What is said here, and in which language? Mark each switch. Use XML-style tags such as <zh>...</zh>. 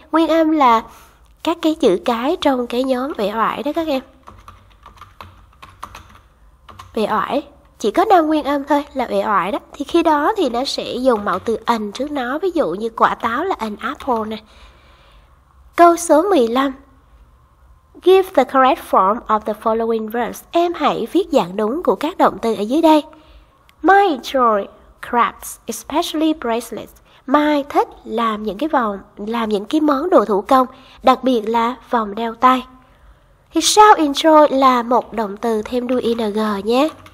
<vi>Nguyên âm là các cái chữ cái trong cái nhóm vẻ oải đó các em. Vẻ oải chỉ có năm nguyên âm thôi là vẻ oải đó. Thì khi đó thì nó sẽ dùng mạo từ an trước nó. Ví dụ như quả táo là</vi> <en>an apple</en> <vi>nè. Câu số 15.</vi> <en>Give the correct form of the following verbs.</en> <vi>Em hãy viết dạng đúng của các động từ ở dưới đây.</vi> <en>My joy crafts especially bracelets.</en> <vi>Mai thích làm những cái vòng, làm những cái món đồ thủ công, đặc biệt là vòng đeo tay. Thì sao enjoy là một động từ thêm đuôi ing nhé.</vi>